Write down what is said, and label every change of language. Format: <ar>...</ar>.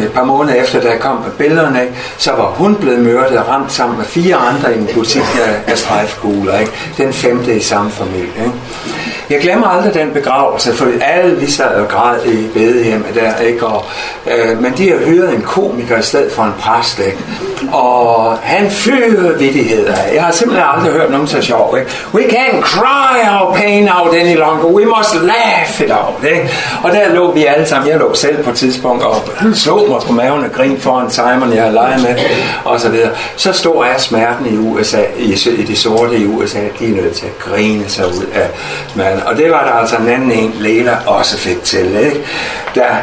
<da>Et par måneder efter, da jeg kom med billederne, ikke? Så var hun blevet myrdet og ramt sammen med 4 andre i en butik af strejfkugler, ikke? Den 5. i samme familie, ikke? Jeg glemmer aldrig den begravelse, for alle vi sad og græd i bedehjemmet der, ikke? Og, men de har hyret en komiker i stedet for en præst, ikke? Og han fyrede vittigheder. Jeg har simpelthen aldrig hørt nogen så sjov, ikke?</da> <en>We can't cry our pain out any longer. We must laugh it out,</en> <da>ikke? Og der lå vi alle sammen. Jeg lå selv på et tidspunkt og slog mig på maven og grin foran Simon, jeg har leget med, og så videre. Så stor er smerten i USA, i de sorte i USA, at de er nødt til at grine sig ud af smerten. Og det var der altså en anden en, Leila, også fik til, ikke? Der...</da>